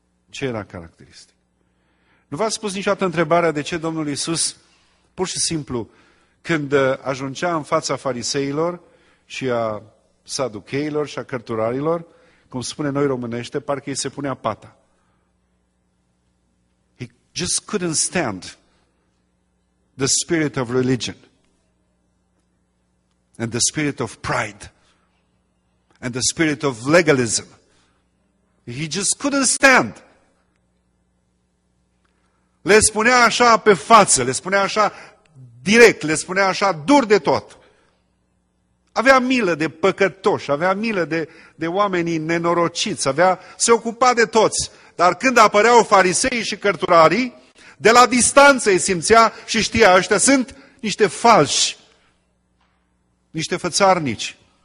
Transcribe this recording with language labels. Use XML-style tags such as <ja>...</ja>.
<ro>Ce era caracteristic? Nu v-ați spus niciodată întrebarea de ce Domnul Iisus, pur și simplu, când ajungea în fața fariseilor și a saducheilor și a cărturarilor, cum spune noi românește, parcă îi se punea pata.</ro> <en>He just couldn't stand the spirit of religion and the spirit of pride and the spirit of legalism. He just couldn't stand.</en> <ro>Le spunea așa pe față, le spunea așa direct, le spunea așa dur de tot. Avea milă de păcătoși, avea milă de oamenii nenorociți, se ocupa de toți. Dar când apăreau fariseii și cărturarii, de la distanță îi simțea și știa, ăștia sunt niște falși, niște fățarnici.</ro>